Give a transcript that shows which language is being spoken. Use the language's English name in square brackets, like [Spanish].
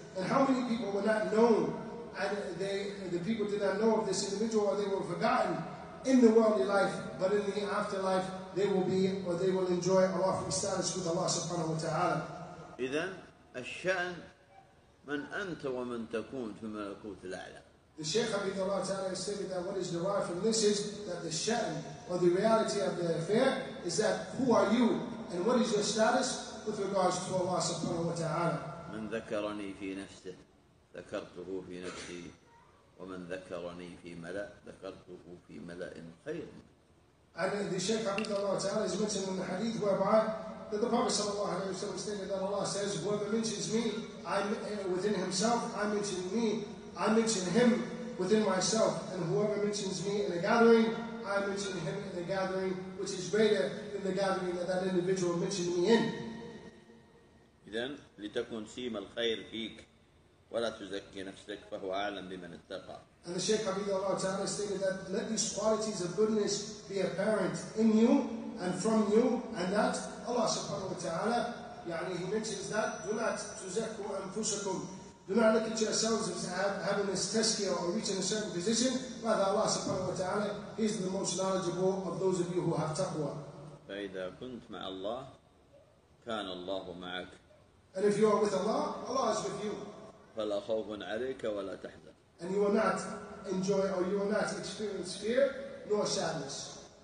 [English] And how many people were not known and the people did not know of this individual or they were forgotten in the worldly life, but in the afterlife they will be or they will enjoy a lofty status with Allah subhanahu wa ta'ala. [Arabic] إذن الشأن من أنت ومن تكون في ملكوت الأعلى. [English] The Shaykh Abid Allah Ta'ala has stated that what is derived from this is that the shan or the reality of the affair is that who are you and what is your status with regards to Allah subhanahu wa ta'ala. [Arabic] من ذكرني في نفسه ذكرته في نفسي ومن ذكرني في ملأ ذكرته في ملأ خير. [English] And the Shaykh Abid Allah Ta'ala is mentioned in the hadith whereby that the Prophet sallallahu alayhi wa sallam stated that Allah says, whoever mentions me within himself, I mention him within myself, and whoever mentions me in a gathering, I mention him in a gathering which is greater than the gathering that individual mentioned me in. [Arabic] إذن لتكون سيم الخير فيك ولا تزكي نفسك فهو أعلم بمن اتقى. [English] And the Shaykh Abid Allah Ta'ala stated that let these qualities of goodness be apparent in you and from you, and that Allah subhanahu wa ta'ala, يعني he mentions that do not [Arabic] تزكوا أنفسكم, [English] do not look at yourselves as having this tazkiyah or reaching a certain position, rather Allah subhanahu wa ta'ala is the most knowledgeable of those of you who have taqwa. [Arabic] فإذا كنت مع الله كان الله معك. [English] And if you are with Allah, Allah is with you. [Arabic] فلا خوف عليك ولا تحزن. [English] And you will not enjoy or you will not experience fear nor sadness.